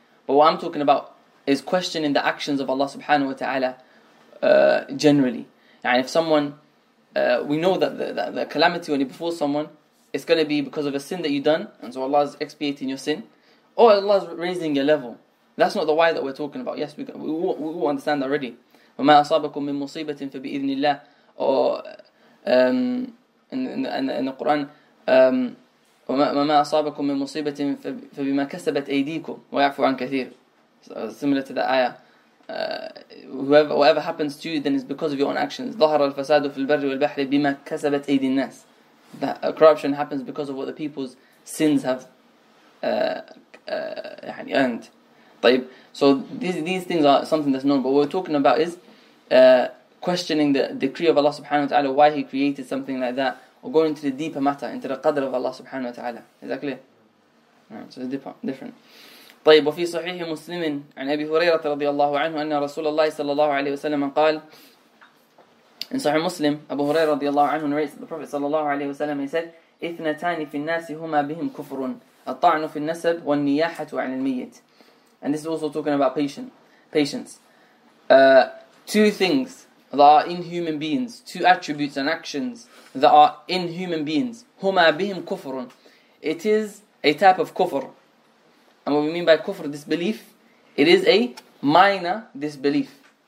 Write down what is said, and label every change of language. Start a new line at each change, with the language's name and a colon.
English: But what I'm talking about is questioning the actions of Allah subhanahu wa ta'ala generally. And if someone, we know that the calamity when it befalls someone, it's going to be because of a sin that you've done, and so Allah is expiating your sin, or Allah is raising your level. That's not the why that we're talking about. Yes, we all understand that already.
Arabic: وَمَا أَصَابَكُم مِّن مُصِيبَةٍ فَبِإِذْنِ اللَّهِ
English: or in the Qur'an,
Arabic: وَمَا أَصَابَكُم مِّن مُصِيبَةٍ فَبِمَا كَسَبَتْ أَيْدِيكُمْ وَيَعْفُ عَنْ كَثِيرٍ.
English: So, similar to the ayah. Whatever happens to you, then it's because of your own actions.
Arabic: ظَهَرَ الْفَسَادُ فِي الْبَرِّ وَالْبَحْرِ بِمَا كَسَبَتْ أَيْدِي النَّاسِ.
English: That corruption happens because of what the people's sins have earned.
Arabic: طيب.
English: So these things are something that's known. But what we're talking about is questioning the decree of Allah subhanahu wa ta'ala, why He created something like that, or going into the deeper matter, into the qadr of Allah subhanahu wa ta'ala. Is that clear? Right, so it's different.
Arabic: طيب وفي صحيح مسلم عن أبي هريرة رضي الله عنه أن رسول الله صلى الله عليه وسلم قال إن صحيح مسلم أبو هريرة رضي الله عنه
English: narrates the Prophet
Arabic: صلى الله عليه وسلم
English: he said
Arabic: إثنتان في الناس هما بهم كفر الطعن في النسب والنياحة عن الميت.
English: And this is also talking about patience. Two things that are in human beings, two attributes and actions that are in human beings.
Arabic: هما بهم كفر.
English: It is a type of كفر. And what we mean by kufr, disbelief, it is a minor disbelief.